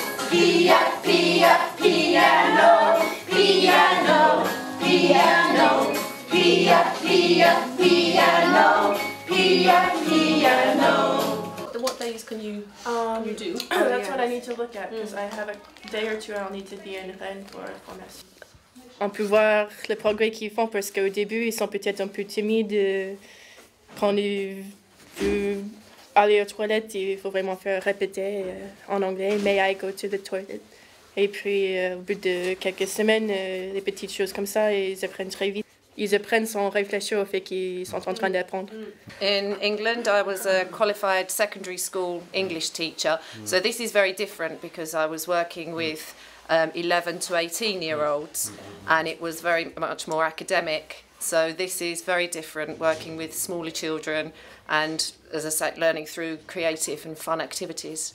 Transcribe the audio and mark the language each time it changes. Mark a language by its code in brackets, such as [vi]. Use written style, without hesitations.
[en] Pia, pia, piano, piano, piano. Pia, pia, piano, pia, piano. What days can you, you do? That's what I need to look at, because I have a day or two I'll need to be in Rennes for a promise. [fr] On peut voir le progrès qu'ils font, parce qu'au début, ils sont peut-être un peu timides. Quand ils veulent aller aux toilettes, il faut vraiment faire répéter en anglais, « [en] May I go to the toilet ?» [fr] Et puis, au bout de quelques semaines, les petites choses comme ça, ils apprennent très vite. Ils apprennent sans réfléchir au fait qu'ils sont en train d'apprendre. [en] In England, I was a qualified secondary school English teacher. So this is very different, because I was working with 11 to 18 year olds, and it was very much more academic. So this is very different, working with smaller children and, as I said, learning through creative and fun activities.